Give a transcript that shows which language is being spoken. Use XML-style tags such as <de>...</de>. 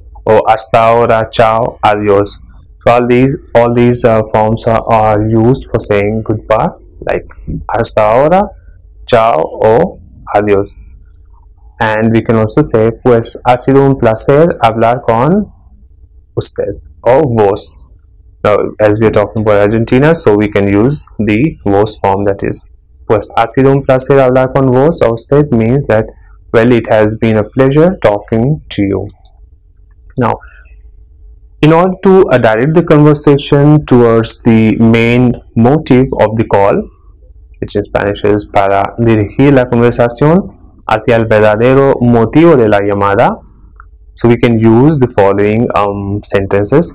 <en>Or</en> <es>hasta ahora, chao, adios.</es> <en>So all these forms are used for saying goodbye, like</en> <es>hasta ahora, chao o adios.</es> <en>And we can also say,</en> <es>pues ha sido un placer hablar con usted o vos.</es> <en>As we are talking about Argentina, so we can use the vos form, that is.</en> <es>Pues ha sido un placer hablar con vos.</es> <en>A usted means that, well, it has been a pleasure talking to you. Now, in order to direct the conversation towards the main motive of the call, which in Spanish is</en> <es>para dirigir la conversación hacia el verdadero motivo de la llamada,</es> <en>so we can use the following sentences.</en>